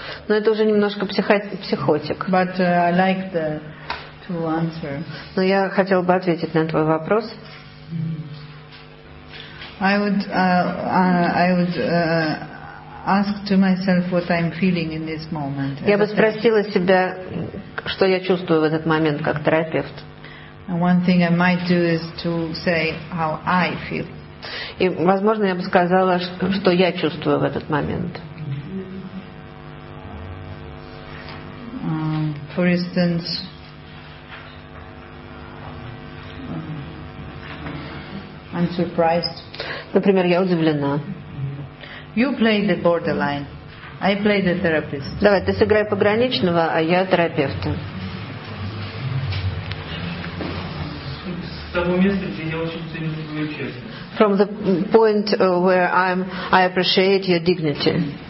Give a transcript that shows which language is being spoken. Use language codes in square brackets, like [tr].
[ru] Но это уже немножко психотик. [en] But I like the to answer. [ru] Но я хотел бы ответить на твой вопрос. [en] I would ask to myself what I'm feeling in this moment. [ru] Я бы спросила себя, что я чувствую в этот момент как терапевт. [en] And one thing I might do is to say how I feel. [ru] И, возможно, я бы сказала, что я чувствую в этот момент. [en] For instance, I'm surprised. [ru] Например, я удивлена. [en] You play the borderline. I play the therapist. [ru] Давай, ты сыграй пограничного, а я терапевта. [en] From the point where I appreciate your dignity.